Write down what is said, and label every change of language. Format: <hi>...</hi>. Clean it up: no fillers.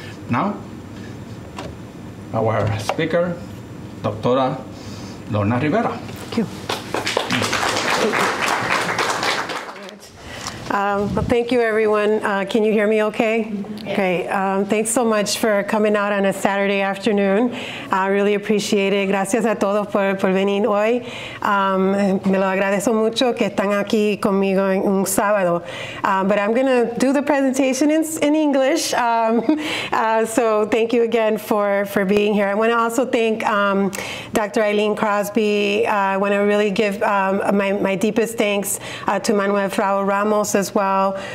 <en>Now, our speaker, Dr. Lorna Rivera. Thank you. Well, thank you, everyone. Can you hear me okay? Yes. Great. Thanks so much for coming out on a Saturday afternoon. I really appreciate it.</en> <es>Gracias a todos por venir hoy. Me lo agradezco mucho que están aquí conmigo en un sábado.</es> <en>But I'm going to do the presentation in English. So thank you again for being here. I want to also thank Dr. Eileen Crosby. I want to really give my deepest thanks to Manuel Frau Ramos as well.</en>